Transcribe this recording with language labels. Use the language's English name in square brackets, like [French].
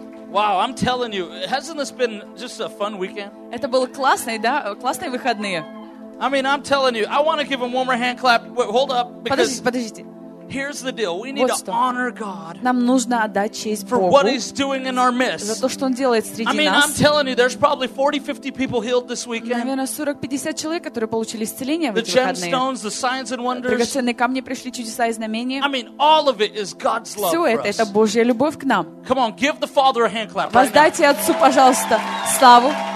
[English] Wow, I'm telling you, hasn't this been just a fun weekend? [Russian] Это было классное, да, классные выходные. [English] I mean, I'm telling you, I want to give him one more hand clap. Wait, hold up. [Russian] Подождите, подождите. [English] Here's the deal. We need to honor God. [Russian] Нам нужно отдать честь Богу. [English] For what he's doing in our midst. [Russian] За то, что он делает среди нас. [English] I mean, I'm telling you, there's probably 40-50 people healed this weekend. [Russian] Наверное, 40-50 человек, которые получили исцеление в эти выходные. [English] The gemstones, the signs and wonders. [Russian] Драгоценные камни, пришли чудеса и знамения. [English] I mean, all of it is God's love. [Russian] Все это Божья любовь к нам. [English] Come on, give the Father a hand clap. [Russian] Воздайте Отцу, пожалуйста, славу.